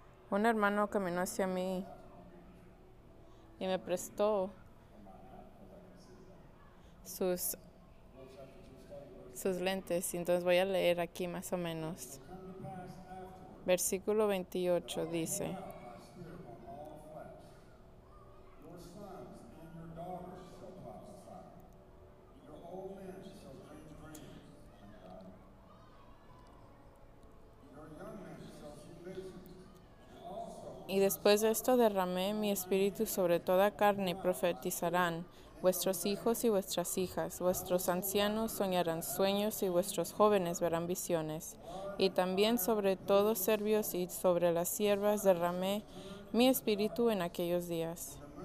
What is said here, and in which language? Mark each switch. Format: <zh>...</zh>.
<es>Un hermano caminó hacia mí y me prestó sus lentes, y entonces voy a leer aquí más o menos. Versículo 28 dice:</es> <en>Your old men shall drink drink, and your young men shall see visions, and also</en> <es>Y después de esto derramé mi espíritu sobre toda carne, profetizarán vuestros hijos y vuestras hijas, vuestros ancianos soñarán sueños y vuestros jóvenes verán visiones. Y también sobre todos serbios y sobre las siervas derramé mi espíritu en aquellos días.</es>